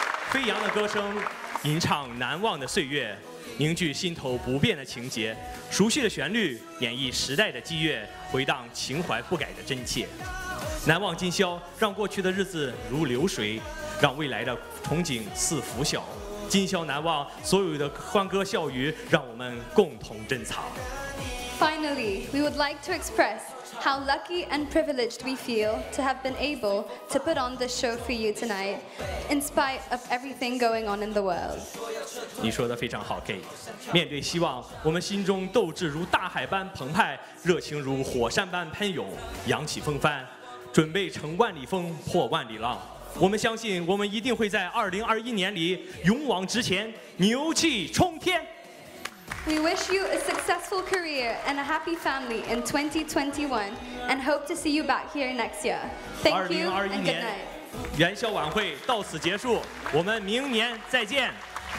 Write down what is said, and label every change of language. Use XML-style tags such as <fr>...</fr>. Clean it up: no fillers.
<zh>飞扬的歌声，吟唱难忘的岁月，凝聚心头不变的情节，熟悉的旋律，演绎时代的激越，回荡情怀不改的真切。难忘今宵，让过去的日子如流水，让未来的憧憬似拂晓。今宵难忘，所有的欢歌笑语，让我们共同珍藏。</zh> <en>Finally, we would like to express how lucky and privileged we feel to have been able to put on this show for you tonight, in spite of everything going on in the world.</en> <zh>你说的非常好 ，Kate。面对希望，我们心中斗志如大海般澎湃，热情如火山般喷涌，扬起风帆，准备乘万里风破万里浪。我们相信，我们一定会在2021年里勇往直前，牛气冲天。</zh> <en>We wish you a successful career and a happy family in 2021 and hope to see you back here next year. Thank you and good night.</en> <zh>元宵晚会到此结束，我们明年再见。</zh>